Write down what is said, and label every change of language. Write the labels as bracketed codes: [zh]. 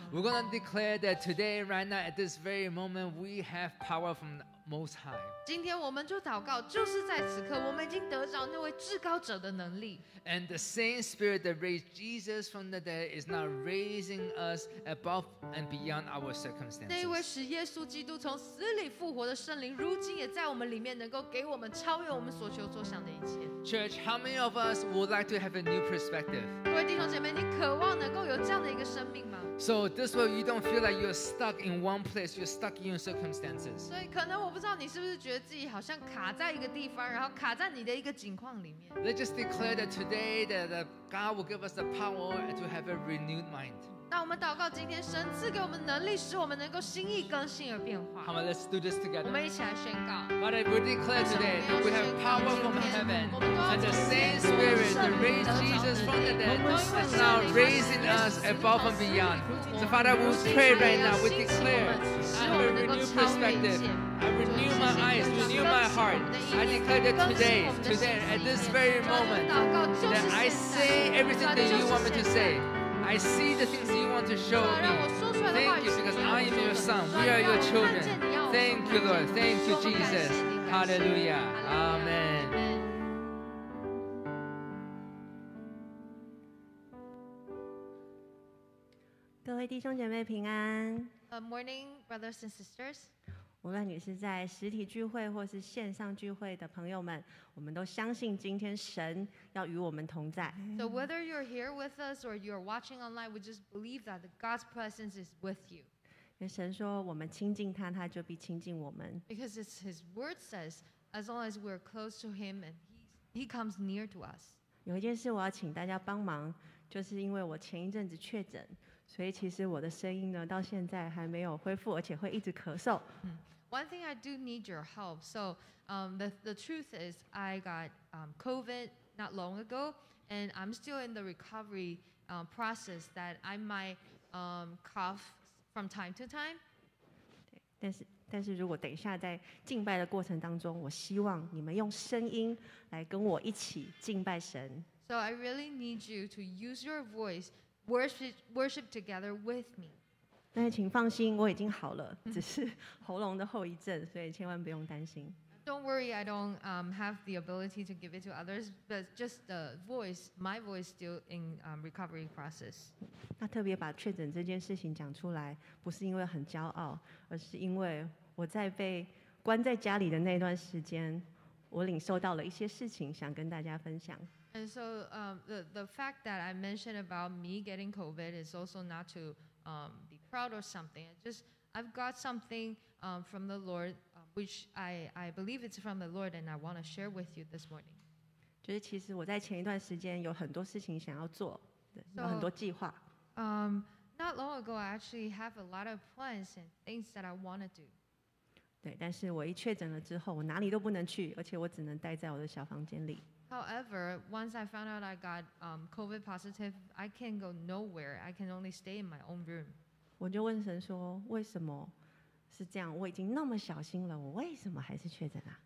[en] We're going to declare that today, right now, at this very moment, we have power from the Most High. [zh] 今天我们就祷告，就是在此刻，我们已经得着那位至高者的能力。 [en] And the same Spirit that raised Jesus from the dead is now raising us above and beyond our circumstances. [zh] 那一位使耶稣基督从死里复活的圣灵，如今也在我们里面，能够给我们超越我们所求所想的一切。 [en] Church, how many of us would like to have a new perspective? [zh] 各位弟兄姐妹，你渴望能够有这样的一个生命吗？ [en] So this way, you don't feel like you're stuck in one place. You're stuck in your circumstances. [zh] 所以可能我不知道你是不是觉得自己好像卡在一个地方，然后卡在你的一个境况里面。 [en] Let's just declare that today. Today that God will give us the power to have a renewed mind. [zh] 当我们祷告今天神赐给我们能力，使我们能够心意更新而变化。好吗 [en] ？Let's do this together. [zh] 我们一起来宣告。 [en] Father, we declare today that we have power from heaven, and the same Spirit that raised Jesus from the dead is now raising us above and beyond. So Father, we pray right now. We declare. I have a renewed perspective. I renew my eyes, renew my heart. I declare that today, today, at this very moment, that I say everything that you want me to say. I see the things that you want to show me. Thank you, because I am your son. We are your children. Thank you, Lord. Thank you, Jesus. Hallelujah. Amen. Good morning, brothers and sisters. [zh] 无论你是在实体聚会或是线上聚会的朋友们，我们都相信今天神要与我们同在。 [en] So whether you're here with us or you're watching online, we just believe that God's presence is with you. [zh] 因为神说，我们亲近他，他就必亲近我们。 [en] Because it's His word says, as long as we're close to Him and He comes near to us. [zh] 有一件事我要请大家帮忙，就是因为我前一阵子确诊。所以其实我的声音呢，到现在还没有恢复，而且会一直咳嗽。 [en] One thing I do need your help. So, the truth is, I got COVID not long ago, and I'm still in the recovery process. That I might cough from time to time. [zh] 但是如果等一下在敬拜的过程当中，我希望你们用声音来跟我一起敬拜神。 [en] So I really need you to use your voice. Worship together with me. [zh] 但是请放心，我已经好了，只是喉咙的后遗症，所以千万不用担心。 [en] Don't worry, I don't have the ability to give it to others, but just the voice, my voice, still in recovery process. [zh] 那特别把确诊这件事情讲出来，不是因为很骄傲，而是因为我在被关在家里的那段时间，我领受到了一些事情，想跟大家分享。 [en] And so the fact that I mentioned about me getting COVID is also not to be proud or something. I've got something from the Lord, which I believe it's from the Lord, and I want to share with you this morning. [zh] 就是其实我在前一段时间有很多事情想要做，有很多计划。 [en] Not long ago, I actually have a lot of plans and things that I want to do. [zh] 对，但是我一确诊了之后，我哪里都不能去，而且我只能待在我的小房间里。 [en] However, once I found out I got COVID positive, I can go nowhere. I can only stay in my own room. [zh] 我就问神说，为什么是这样？我已经那么小心了，我为什么还是确诊啊？